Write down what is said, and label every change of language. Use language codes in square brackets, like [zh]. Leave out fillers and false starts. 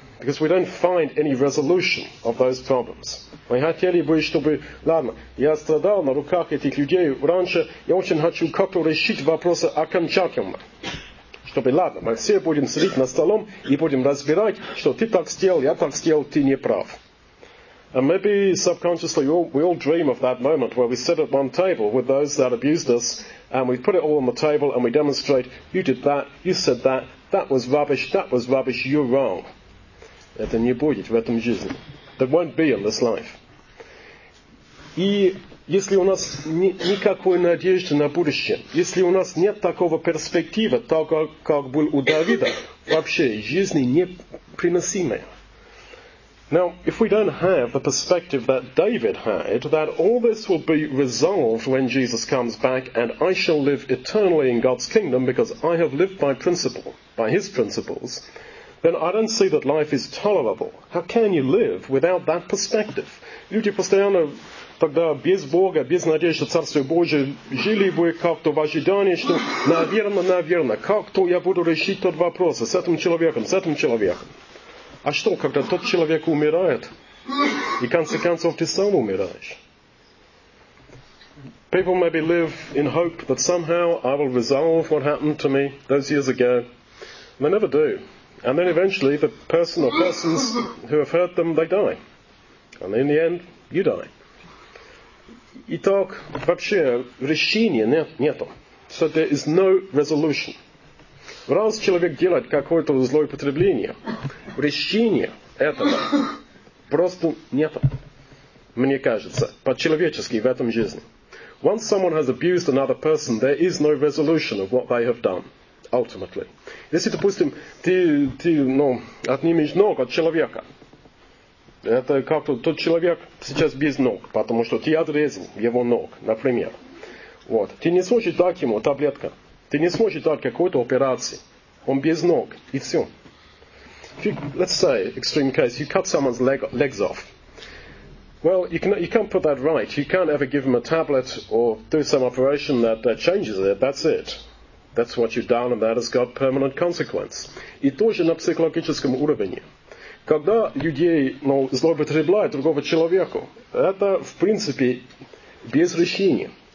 [en] Because we don't find any resolution of those problems. [ru] Мы хотели бы, чтобы, ладно, я страдал на руках этих людей раньше, я очень хочу как-то решить вопросы окончательно. Чтобы, ладно, мы все будем сидеть на столом и будем разбирать, что ты так сделал, я так сделал, ты не прав. [en] And maybe subconsciously we all dream of that moment where we sit at one table with those that abused us and we put it all on the table and we demonstrate, you did that, you said that, that was rubbish, you're wrong. [ru] Это не будет в этом жизни. [en] That won't be in this life. [ru] И если у нас никакой надежды на будущее, если у нас нет такого перспектива, того, как был у Давида, вообще жизни неприносимая. [en] Now, if we don't have the perspective that David had, that all this will be resolved when Jesus comes back, and I shall live eternally in God's kingdom because I have lived by principle, by his principles, then I don't see that life is tolerable. How can you live without that perspective? [ru] Люди постоянно тогда без Бога, без надежды Царствия Божия жили бы как-то в ожидании, что, наверное, наверное, как-то я буду решить тот вопрос с этим человеком, с этим человеком. А что, когда тот человек умирает, и в конце концов ты сам умираешь? [en] People maybe live in hope that somehow I will resolve what happened to me those years ago. They never do. And then eventually the person or persons who have hurt them, they die. And in the end, you die. [ru] Итак, вообще решения нету. [en] So there is no resolution. [ru] Раз человек делает какое-то злоупотребление, причине этого просто нет, мне кажется, по-человечески в этом жизни. [en] Once someone has abused another person, there is no resolution of what they have done, ultimately. [ru] Если, допустим, ты отнимешь ногу от человека, это как-то тот человек сейчас без ног, потому что ты отрезан его ног, например. Вот. Ты не сможешь дать ему таблетку. Ты не сможешь дать какой-то операции. Он без ног. И все. [en] Let's say, extreme case, you cut someone's legs off. Well, you can't put that right. You can't ever give him a tablet or do some operation that changes it. That's it. That's what you've done and that has got permanent consequence. [ru] И тоже на психологическом уровне. Когда людей, злоупотребляют другого человека, это, в принципе, без решения.